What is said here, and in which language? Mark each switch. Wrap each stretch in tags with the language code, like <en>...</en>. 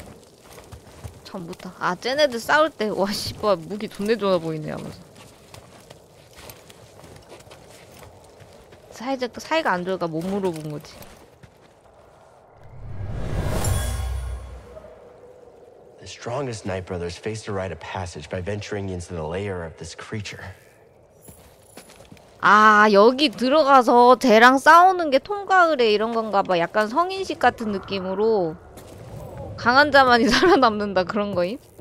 <ko>못하. 아 쟤네들 싸울 때 와 씨발 무기 존내 좋아 보이네 하면서. 사이가 안 좋을까 못 물어본 거지.</ko> <en>The strongest Knight brothers faced a rite of passage by venturing into the lair of this creature.</en> <ko>아 여기 들어가서 쟤랑 싸우는 게 통과의례 이런 건가 봐. 약간 성인식 같은 느낌으로. 강한 자만이 살아남는다 그런 거임?</ko>